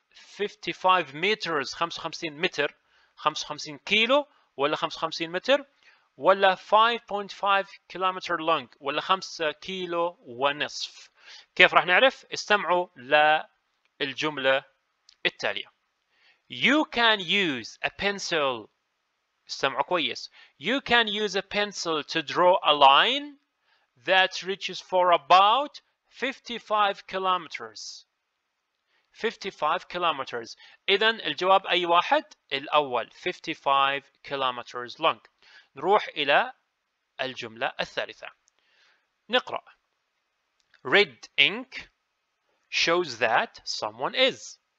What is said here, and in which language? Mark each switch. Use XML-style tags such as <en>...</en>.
<ar>55 meters 55 متر 55 كيلو ولا 55 متر ولا 5.5 كيلومتر لونج ولا 5 كيلو ونصف. كيف راح نعرف؟ استمعوا للجملة التالية.</ar> <en>You can use a pencil.</en> <ar>استمعوا كويس.</ar> <en>You can use a pencil to draw a line that reaches for about 55 kilometers. 55 kilometers.</en> <ar>إذن الجواب أي واحد؟ الأول.</ar> <en>55 kilometers long.</en> <ar>نروح إلى الجملة الثالثة. نقرأ.</ar> <en>Red ink shows that someone is.</en>